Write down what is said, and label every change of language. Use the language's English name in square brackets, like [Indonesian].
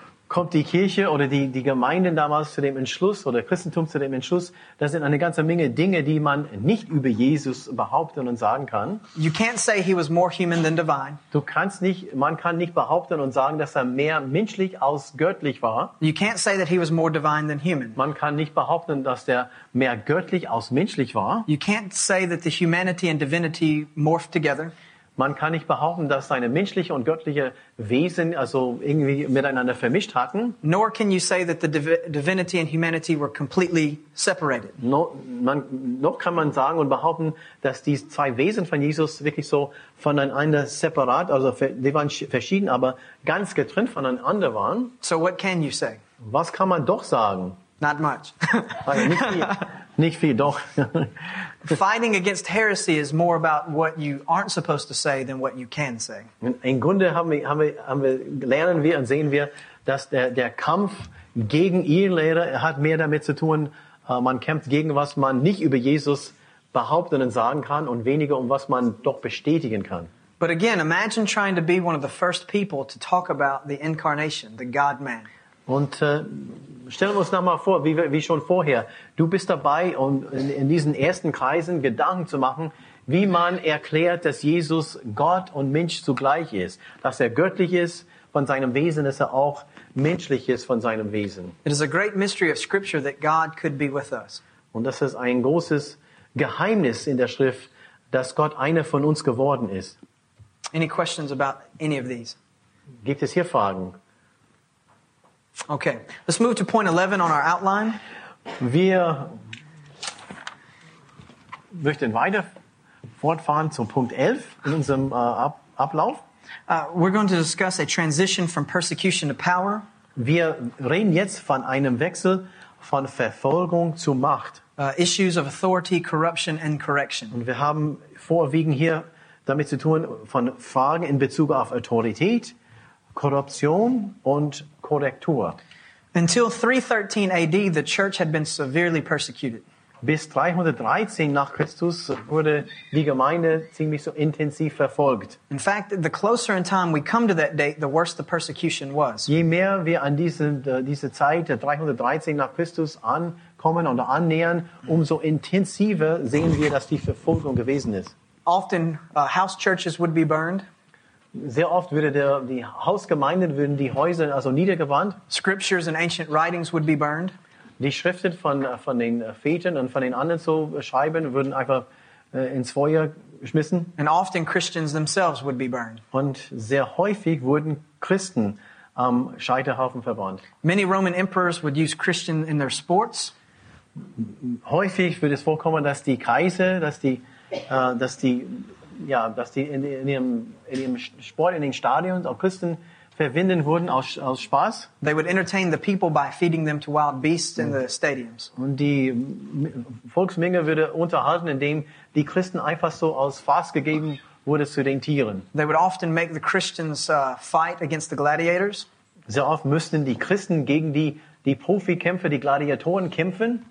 [German] Kommt die Kirche oder die Gemeinden damals zu dem Entschluss oder Christentum zu dem Entschluss, das sind eine ganze Menge Dinge, die man nicht über Jesus behaupten und sagen kann. [English] You can't say he was more human than divine. [German] Man kann nicht behaupten und sagen, dass er mehr menschlich als göttlich war. [English] You can't say that he was more divine than human. [German] Man kann nicht behaupten, dass der mehr göttlich als menschlich war. [English] You can't say that the humanity and divinity morphed together. [German] Man kann nicht behaupten, dass seine menschliche und göttliche Wesen also irgendwie miteinander vermischt hatten. [English] Nor can you say that the divinity and humanity were completely separated. [German] Noch kann man sagen und behaupten, dass diese zwei Wesen von Jesus wirklich so voneinander separat, also die waren verschieden, aber ganz getrennt voneinander waren. [English] So what can you say? [German] Was kann man doch sagen? [English] Not much. [German] Also nicht viel. Nicht viel, doch. [English] Fighting against heresy is more about what you aren't supposed to say than what you can say. [German] Im Grunde lernen wir und sehen wir, dass der Kampf gegen Irrlehre hat mehr damit zu tun, man kämpft gegen was man nicht über Jesus behaupten und sagen kann und weniger um was man doch bestätigen kann. [English] But again, imagine trying to be one of the first people to talk about the incarnation, the God-man. [German] Und stellen wir uns noch mal vor, wie schon vorher. Du bist dabei, um in diesen ersten Kreisen Gedanken zu machen, wie man erklärt, dass Jesus Gott und Mensch zugleich ist, dass er göttlich ist von seinem Wesen, dass er auch menschlich ist von seinem Wesen. [English] It is a great mystery of Scripture that God could be with us. [German] Und das ist ein großes Geheimnis in der Schrift, dass Gott einer von uns geworden ist. [English] Any questions about any of these? [German] Gibt es hier Fragen? [English] Okay, let's move to point 11 on our outline. [German] Wir möchten weiter fortfahren zum Punkt 11 in unserem Ablauf. [English] We're going to discuss a transition from persecution to power. [German] Wir reden jetzt von einem Wechsel von Verfolgung zu Macht. [English] Issues of authority, corruption and correction. [German] Und wir haben vorwiegend hier damit zu tun von Fragen in Bezug auf Autorität, Korruption und Korrektur. [English] Until 313 AD, the church had been severely persecuted. [German] Bis 313 nach Christus wurde die Gemeinde ziemlich so intensiv verfolgt. [English] In fact, the closer in time we come to that date, the worse the persecution was. [German] Je mehr wir an diese Zeit, 313 nach Christus, ankommen oder annähern, umso intensiver sehen wir, dass die Verfolgung gewesen ist. [English] Often, house churches would be burned. [German] Sehr oft die Hausgemeinden würden die Häuser also niedergebrannt. [English] Scriptures and ancient writings would be burned. [German] Die Schriften von den Vätern und von den anderen so Schreiben würden einfach ins Feuer geschmissen. [English] And often Christians themselves would be burned. [German] Und sehr häufig wurden Christen am Scheiterhaufen verbrannt. [English] Many Roman emperors would use Christian in their sports. [German] Häufig würde es vorkommen, dass die Kaiser, dass die in ihrem Sport, in den Stadien auch Christen verwenden wurden aus Spaß. [English] They would entertain the people by feeding them to wild beasts in the stadiums. [German] Und die Volksmenge würde unterhalten, indem die Christen einfach so als Fass gegeben wurde zu den Tieren. [English] They would often make the Christians fight against the gladiators. [German] Sehr oft müssten die Christen gegen die Profikämpfer, die Gladiatoren kämpfen.